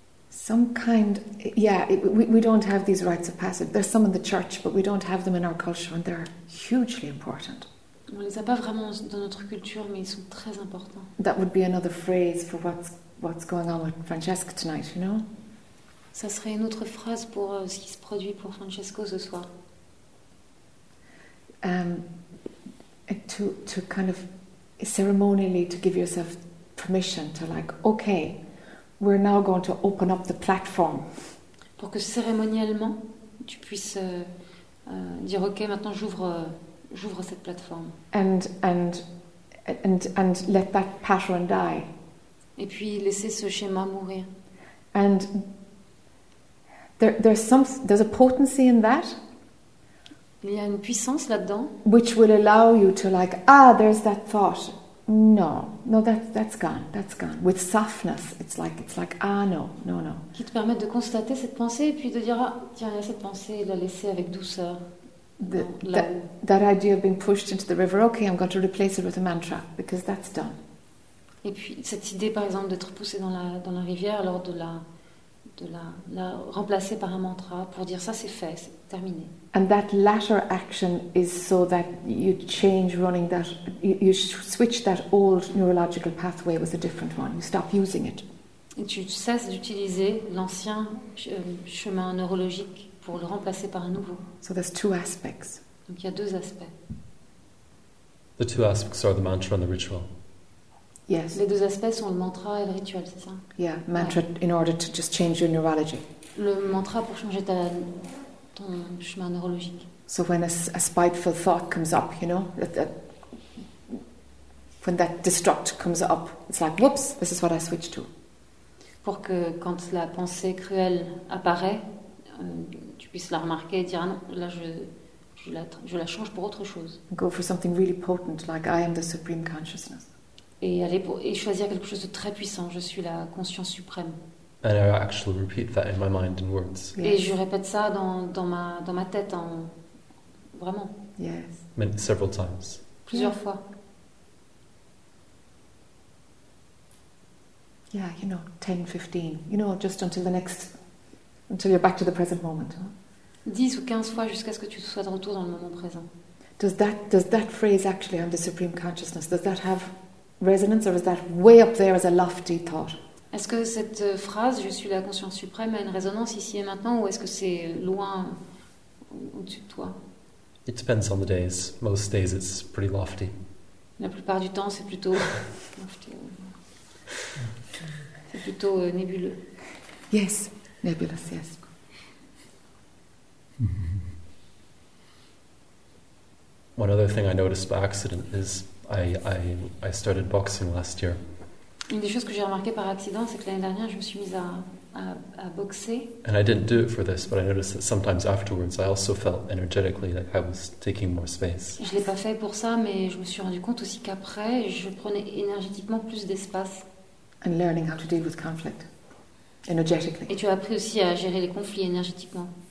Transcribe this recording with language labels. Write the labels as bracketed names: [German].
[English] Some kind, yeah, we don't have these rites of passage. There's some in the church, but we don't have them in our culture, and they're hugely important. [French] On les a pas vraiment dans notre culture, mais ils sont très importants. [English] That would be another phrase for what's going on with Francesca tonight, you know? [French] Ça serait une autre phrase pour ce qui se produit pour Francesco ce soir. [English] To kind of ceremonially to give yourself permission to like, okay, we're now going to open up the platform. [French] Pour que cérémoniellement tu puisses dire ok, maintenant j'ouvre cette plateforme. [English] And let that pattern die. [French] Et puis laisser ce schéma mourir. [English] And there's a potency in that. [French] Il y a une puissance là-dedans. [English] Which will allow you to like, ah, there's that thought. No, that's gone. With softness, it's like, ah, no. [French] Qui te permet de constater cette pensée et puis de dire, ah, tiens, il y a cette pensée et la laisser avec douceur. [English] That idea of being pushed into the river, okay, I'm going to replace it with a mantra, because that's done. [French] Et puis, cette idée, par exemple, d'être poussé dans la rivière, alors de la remplacer par un mantra pour dire, ça, c'est fait, c'est terminé. [English] And that latter action is so that you change running that, you switch that old neurological pathway with a different one. You stop using it. [French] Et tu cesses d'utiliser l'ancien chemin neurologique pour le remplacer par un nouveau. [English] So there's two aspects. [French] Donc il y a deux aspects. [English] The two aspects are the mantra and the ritual. Yes. [French] Les deux aspects sont le mantra et le rituel, c'est ça? [English] Yeah, mantra in order to just change your neurology. [French] Le mantra pour changer ton chemin neurologique. [English] So when a spiteful thought comes up, you know, when that destruct comes up, it's like, whoops, this is what I switch to. [French] Pour que quand la pensée cruelle apparaît, tu puisses la remarquer et dire, ah non, là je la change pour autre chose. [English] Go for something really potent, like I am the supreme consciousness. [French] Et choisir quelque chose de très puissant, je suis la conscience suprême. [English] And I actually repeat that in my mind in words. Yes. [French] Et je répète ça dans ma tête en vraiment. [English] Yes. Many, several times. [French] Plusieurs yeah. fois. [English] Yeah, you know, 10, 15. You know, just until you're back to the present moment. [French] 10 ou 15 fois jusqu'à ce que tu sois de retour dans le moment présent. [English] Does that phrase actually I'm the supreme consciousness? Does that have resonance or is that way up there as a lofty thought? [French] Est-ce que cette phrase, je suis la conscience suprême, a une résonance ici et maintenant, ou est-ce que c'est loin au-dessus de toi? [English] It depends on the days. Most days it's pretty lofty. [French] La plupart du temps, c'est plutôt lofty. C'est plutôt nébuleux. [English] Yes, nebulous, yes. Mm-hmm. One other thing I noticed by accident is I started boxing last year. [French] Une des choses que j'ai remarqué par accident, c'est que l'année dernière, je me suis mise à boxer. [English] And I didn't do it for this, but I noticed that sometimes afterwards, I also felt energetically like I was taking more space. [French] Je l'ai pas fait pour ça, mais je me suis rendu compte aussi qu'après, je prenais énergétiquement plus d'espace. [English] And learning how to deal with conflict, energetically. [French] Et tu as appris aussi à gérer les conflits énergétiquement.